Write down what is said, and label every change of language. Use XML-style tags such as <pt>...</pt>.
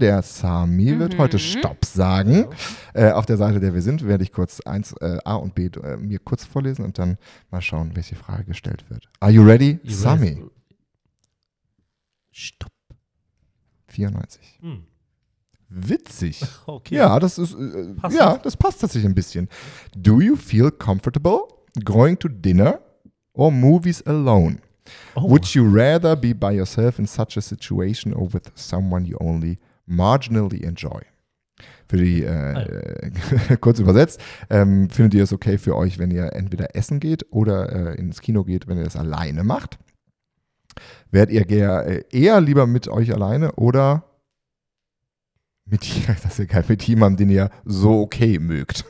<de>Der Sami wird heute Stopp sagen. Auf der Seite, der wir sind, werde ich kurz eins A und B mir kurz vorlesen und dann mal schauen, welche Frage gestellt wird.</de> <en>Are you ready, Sami?</en> <de>Stopp. 94. Hm. Witzig. Okay. Ja, das ist ja, das passt tatsächlich ein bisschen.</de> <en>Do you feel comfortable going to dinner or movies alone? Oh. Would you rather be by yourself in such a situation or with someone you only marginally enjoy?</en> <de>Für die, kurz übersetzt, findet ihr es okay für euch, wenn ihr entweder essen geht oder ins Kino geht, wenn ihr das alleine macht? Wärt ihr eher lieber mit euch alleine oder mit jemandem, den ihr so okay mögt?</de>